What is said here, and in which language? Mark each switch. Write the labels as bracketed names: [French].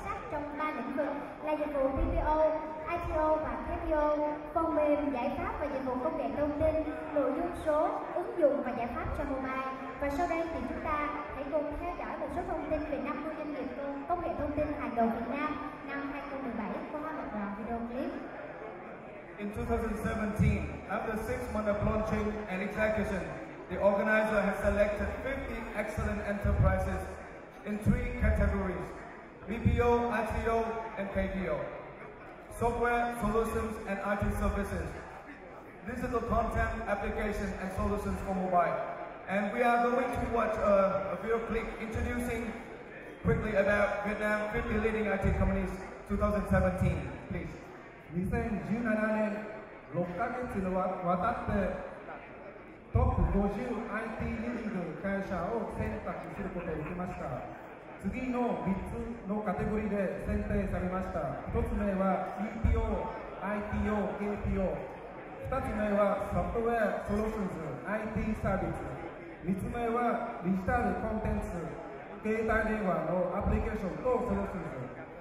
[Vietnamese] trong 3 lĩnh vực là dịch vụ BPO, ITO và PPO, phần mềm, giải pháp và dịch vụ công nghệ thông tin, nội dung số, ứng dụng và giải pháp cho mobile. Và sau đây thì chúng ta hãy cùng theo dõi một số thông tin về 50 doanh nghiệp công nghệ thông tin hàng đầu Việt Nam năm 2017 qua một đoạn video clip. [English] In 2017, after 6 months of launching and execution, the organizer has selected 50 excellent enterprises in 3 categories: BPO, ITO, and PPO, software solutions and IT services. This is the content, application, and solutions for mobile. And we are going to watch a video clip introducing quickly about Vietnam 50 leading IT companies 2017. Please. [Japanese] 2017年 6 ヶ月にわたってトップ50 IT リーディング会社を選択することができました。次の3つのカテゴリーで選定されました。 1つ目は BPO、ITO、APO、 2つ目はソフトウェアソリューションズ、 IT サービス、3つ目はデジタルコンテンツ、携帯電話のアプリケーションとソリューションズ。